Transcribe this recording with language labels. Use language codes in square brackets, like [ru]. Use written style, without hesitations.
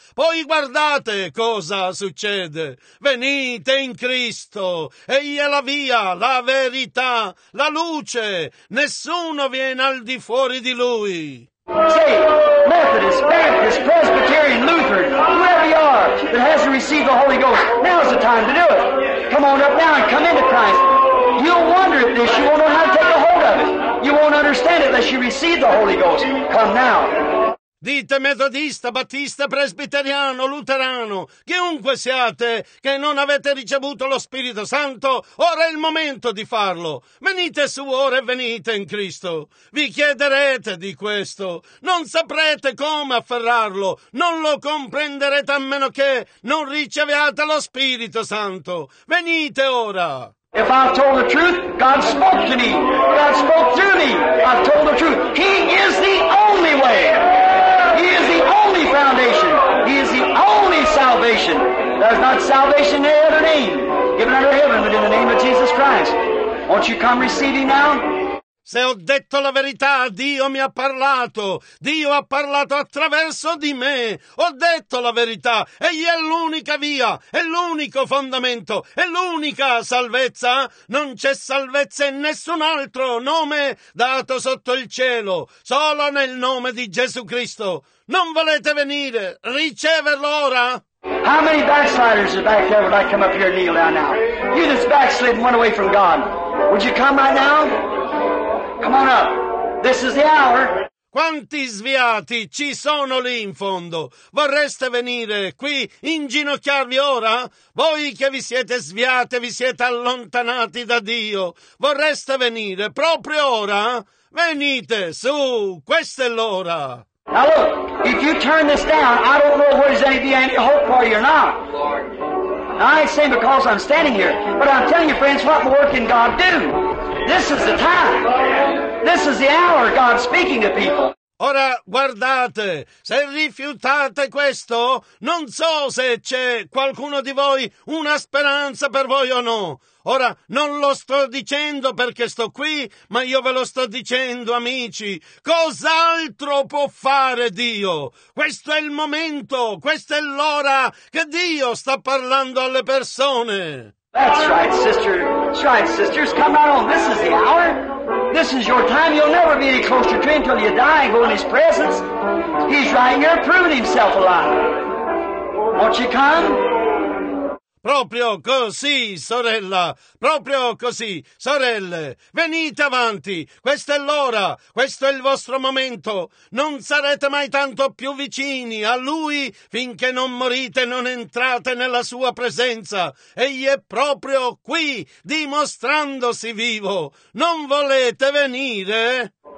[it] Poi guardate cosa succede. Venite in Cristo. Egli è la via, la verità, la luce. Nessuno viene al di fuori di Lui. [en] Say, Methodist, Baptist, Presbyterian, Lutheran, whoever you are that hasn't received the Holy Ghost, now's the time to do it. Come on up now and come into Christ. You'll wonder at this. You won't know how to take a hold of it. You won't understand it unless you receive the Holy Ghost. Come now. [it] Dite metodista, battista, presbiteriano, luterano, chiunque siate che non avete ricevuto lo Spirito Santo, ora è il momento di farlo. Venite su ora e venite in Cristo. Vi chiederete di questo. Non saprete come afferrarlo. Non lo comprenderete a meno che non riceviate lo Spirito Santo. Venite ora. [en] If I've told the truth, God spoke to me. God spoke through me. I've told the truth. He is the only way. He is the only foundation. He is the only salvation. There's not salvation in any other name given under heaven but in the name of Jesus Christ. Won't you come receive him now? [it] Se ho detto la verità, Dio mi ha parlato. Dio ha parlato attraverso di me. Ho detto la verità. Egli è l'unica via, è l'unico fondamento, è l'unica salvezza. Non c'è salvezza in nessun altro nome dato sotto il cielo, solo nel nome di Gesù Cristo. Non volete venire? Riceverlo ora? [en] How many backsliders are back there? Would I come up here and kneel down now? You just backslid and went away from God. Would you come right now? Come on up. This is the hour. [it] Quanti sviati ci sono lì in fondo? Vorreste venire qui, inginocchiarvi ora? Voi che vi siete sviati, vi siete allontanati da Dio. Vorreste venire proprio ora? Venite su, questa è l'ora. [en] Now look, if you turn this down, I don't know where there's any hope for you or not. Now I say because I'm standing here, but I'm telling you, friends, what more can God do? This is the time. This is the hour God speaking to people. [it] Ora guardate, se rifiutate questo, non so se c'è qualcuno di voi una speranza per voi o no. Ora non lo sto dicendo perché sto qui, ma io ve lo sto dicendo, amici. Cos'altro può fare Dio? Questo è il momento, questa è l'ora che Dio sta parlando alle persone. [en] That's right, sister. That's right, sisters. Come right on. This is the hour. This is your time. You'll never be any closer to him until you die and go in his presence. He's right here proving himself alive. Won't you come? [it] Proprio così, sorella, proprio così, sorelle, venite avanti, questa è l'ora, questo è il vostro momento, non sarete mai tanto più vicini a Lui finché non morite, non entrate nella Sua presenza, Egli è proprio qui, dimostrandosi vivo, non volete venire?